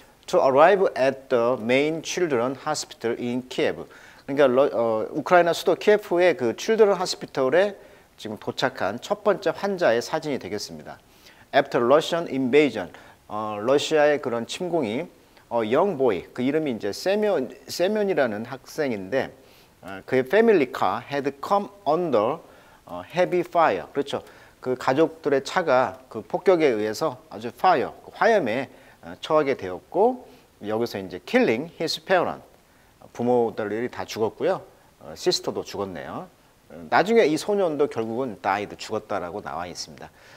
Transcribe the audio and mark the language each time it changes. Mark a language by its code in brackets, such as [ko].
[en] To arrive at the main children hospital in Kiev. [ko] 그러니까 우크라이나 수도 키예프의 그 children hospital 에 지금 도착한 첫 번째 환자의 사진이 되겠습니다. [en] After Russian invasion, [ko] 러시아의 그런 침공이, [en] young boy, [ko] 그 이름이 이제 세면이라는 학생인데, 그의 [en] family car had come under heavy fire. [ko] 그렇죠. 그 가족들의 차가 그 폭격에 의해서 아주 화염에 처하게 되었고, 여기서 이제 [en] killing his parents. [ko] 부모들이 다 죽었고요. sister도 죽었네요. 나중에 이 소년도 결국은 [en] died, [ko] 죽었다라고 나와 있습니다.